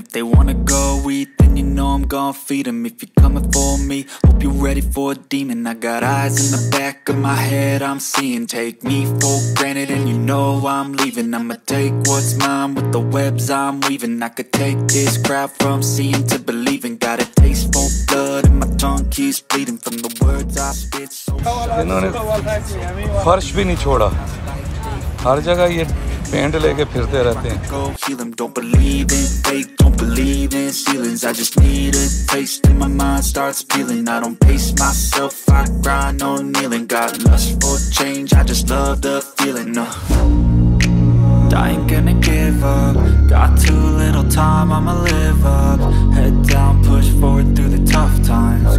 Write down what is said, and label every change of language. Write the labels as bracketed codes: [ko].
[en] If they wanna go eat, then you know I'm gonna feed them. If you're coming for me, hope you're ready for a demon. I got eyes in the back of my head, I'm seeing. Take me for granted and you know I'm leaving. I'ma take what's mine with the webs I'm weaving. I could take this crowd from seeing to believing. Got a taste for blood and my tongue keeps bleeding from the words I [hi] इन्होंने फर्श भी नहीं छोड़ा, हर जगह ये paint लेके फिरते रहते हैं। [en] Believe in ceilings, I just need a taste and my mind starts peeling. I don't pace myself, I grind on kneeling. Got lust for change, I just love the feeling. I ain't gonna give up. Got too little time, I'ma live up. Head down, push forward through the tough times.